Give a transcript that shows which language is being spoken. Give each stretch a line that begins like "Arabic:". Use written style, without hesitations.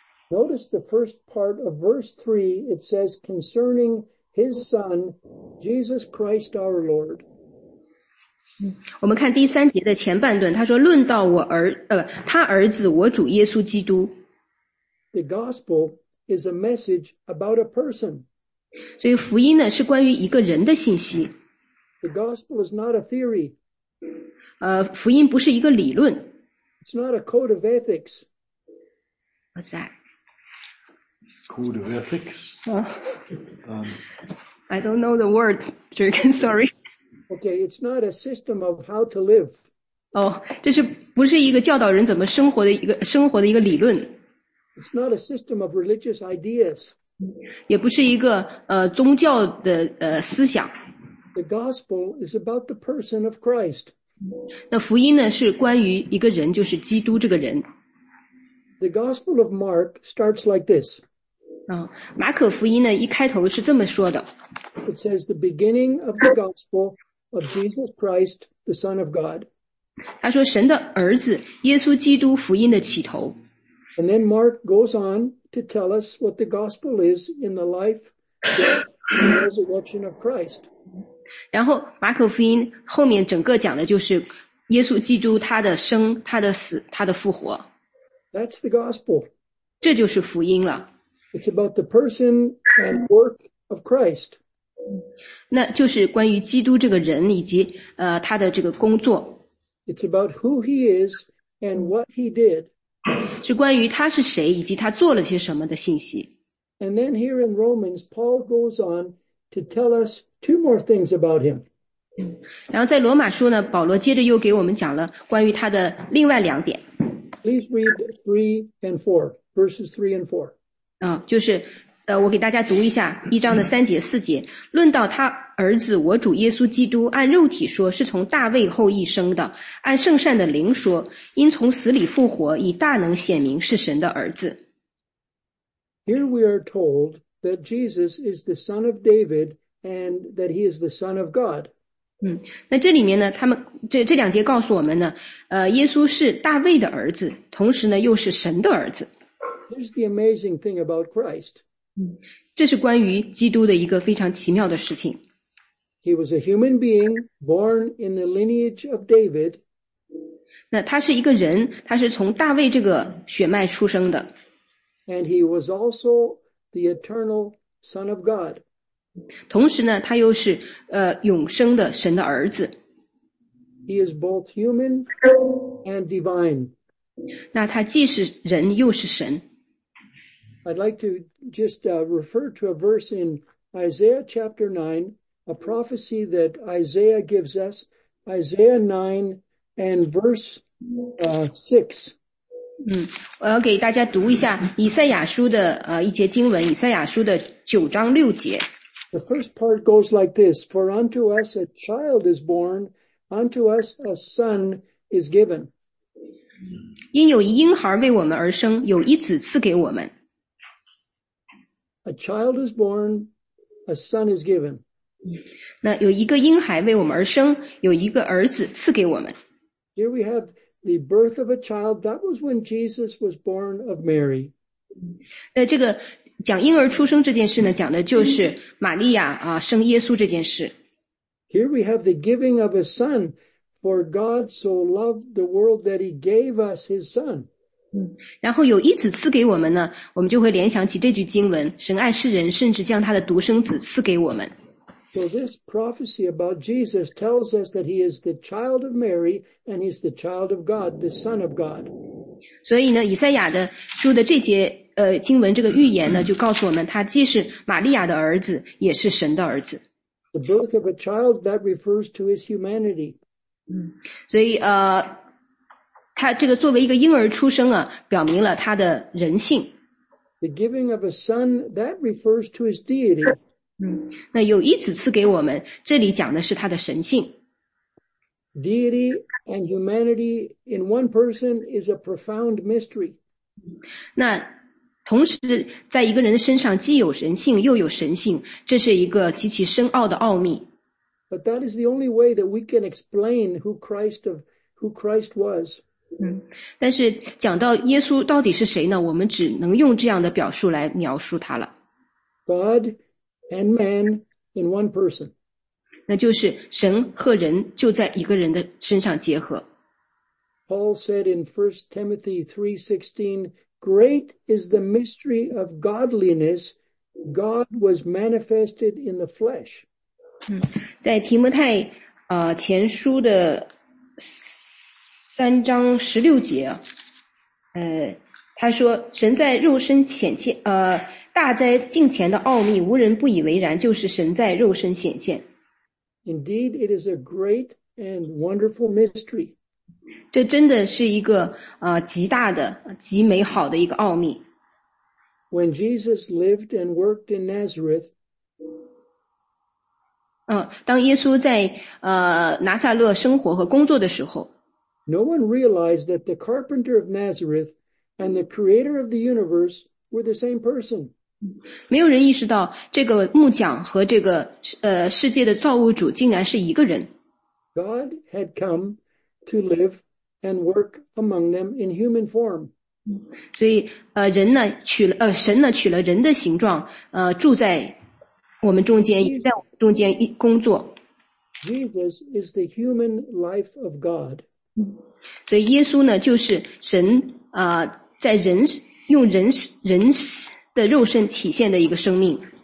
English: Notice the first part of verse 3, it says concerning his son, Jesus Christ our Lord.
Chinese: 我们看第三节的前半段，他说论到我儿，他儿子我主耶稣基督。
English: The gospel is a message about a person.
Chinese: 所以福音呢是关于一个人的信息。
English: The gospel is not a theory.
Chinese: 福音不是一个理论。
English: It's not a code of ethics. What's that? Code of ethics? I don't know the word, Jürgen, sorry. Okay, it's not a system of how to live.
Chinese: 哦，这是不是一个教导人怎么生活的一个理论？
English: It's not a system of religious ideas.
Chinese: 也不是一个宗教的思想。
English: The gospel is about the person of Christ.
Chinese: 那福音呢是关于一个人，就是基督这个人。
English: The gospel of Mark starts like this.
Chinese: 马可福音呢一开头是这么说的。
English: It says the beginning of the gospel. Of Jesus Christ, the Son of God.
Chinese: 他说神的儿子耶稣基督福音的起头。
English: And then Mark goes on to tell us what the gospel is in the life and resurrection of Christ.
Chinese: 然后马可福音后面整个讲的就是耶稣基督他的生、他的死、他的复活。
English: That's the gospel.
Chinese: 这就是福音了。
English: It's about the person and work of Christ.
Chinese: 那就是关于基督这个人以及他的这个工作。
English: It's about who he is and what he did.
Chinese: 是关于他是谁以及他做了些什么的信息。
English: And then here in Romans, Paul goes on to tell us two more things about him.
Chinese: 然后在罗马书呢，保罗接着又给我们讲了关于他的另外两点。
English: Please read 3 and 4, verses 3 and 4.
Chinese: 就是我给大家读一下一章的三节四节，论到他儿子我主耶稣基督，按肉体说是从大卫后裔生的，按圣善的灵说因从死里复活，以大能显明是神的儿子。
English: Here we are told that Jesus is the son of David and that he is the son of God.
Chinese: 那这里面呢，他们这两节告诉我们呢，耶稣是大卫的儿子，同时呢又是神的儿子。
English: Here's the amazing thing about Christ.
Chinese: 这是关于基督的一个非常奇妙的事情。
English: He was a human being born in the lineage of David.
Chinese: 那他是一个人，他是从大卫这个血脉出生的。
English: And he was also the eternal Son of God.
Chinese: 同时呢，他又是永生的神的儿子。
English: He is both human and divine.
Chinese: 那他既是人又是神。
English: I'd like to just refer to a verse in Isaiah chapter 9, a prophecy that Isaiah gives us, Isaiah 9 and verse 6.
Chinese: 我要给大家读一下以赛亚书的一节经文，以赛亚书的九章六节。
English: The first part goes like this, For unto us a child is born, unto us a son is given.
Chinese: 因有一婴孩为我们而生，有一子赐给我们。
English: A child is born, a son is given.
Chinese: 那有一个婴孩为我们而生，有一个儿子赐给我们。
English: Here we have the birth of a child. That was when Jesus was born of Mary.
Chinese: 那这个讲婴儿出生这件事呢，讲的就是玛利亚啊生耶稣这件事。
English: Here we have the giving of a son, for God so loved the world that he gave us his son.
Chinese: 然后有一子赐给我们呢，我们就会联想起这句经文，神爱世人，甚至将他的独生子赐给我们。
English: So this prophecy about Jesus tells us that he is the child of Mary and he's the child of God, the son of God.
Chinese: 所以呢，以赛亚的书的这节经文这个预言呢，就告诉我们他既是玛利亚的儿子，也是神的儿子。
English: The birth of a child that refers to his humanity.
Chinese: 所以他这个作为一个婴儿出生啊，表明了他的人性。
English: The giving of a son, that refers to his deity.
Chinese: 那有一子赐给我们，这里讲的是他的神性。
English: Deity and humanity in one person is a profound mystery.
Chinese: 那同时在一个人身上既有人性又有神性，这是一个极其深奥的奥秘。
English: But that is the only way that we can explain who Christ was.
Chinese: 但是讲到耶稣到底是谁呢，我们只能用这样的表述来描述他了。
English: God and man in one person.
Chinese: 那就是神和人就在一个人的身上结合。
English: Paul said in 1 Timothy 3:16, Great is the mystery of godliness. God was manifested in the flesh.
Chinese: 在提摩太前书的三章十六节他说神在肉身显现大灾近前的奥秘无人不以为然，就是神在肉身显现。
English: Indeed, it is a great and wonderful mystery.
Chinese: 这真的是一个极大的极美好的一个奥秘。
English: When Jesus lived and worked in Nazareth,
Chinese: 当耶稣在拿撒勒生活和工作的时候，
English: No one realized that the carpenter of Nazareth and the creator of the universe were the same person.
Chinese: 没有人意识到这个木匠和这个世界的造物主竟然是一个人。
English: God had come to live and work among them in human form.
Chinese: 所以人呢取了神呢取了人的形状住在我们中间，在我们中间一工作。
English: Jesus is the human life of God.
Chinese: 所以耶稣呢就是神在人用人的肉身体现的一个生命。